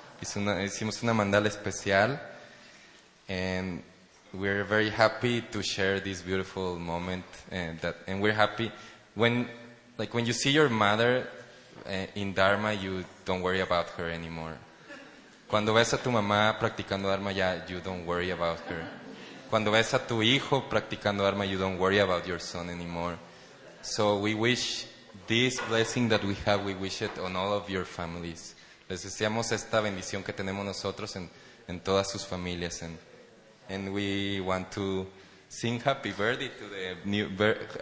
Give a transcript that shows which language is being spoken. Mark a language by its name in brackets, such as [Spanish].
[Spanish] Hicimos una mandala especial. [English] And we're very happy to share this beautiful moment, and we're happy when you see your mother in Dharma, you don't worry about her anymore. [Spanish] Cuando ves a tu mamá practicando Dharma, ya, [English] you don't worry about her. [Spanish] Cuando ves a tu hijo practicando Dharma, [English] you don't worry about your son anymore. So we wish this blessing that we have, we wish it on all of your families. [Spanish] Les deseamos esta bendición que tenemos nosotros en todas sus familias. [English] And we want to sing happy birthday to the new birthday.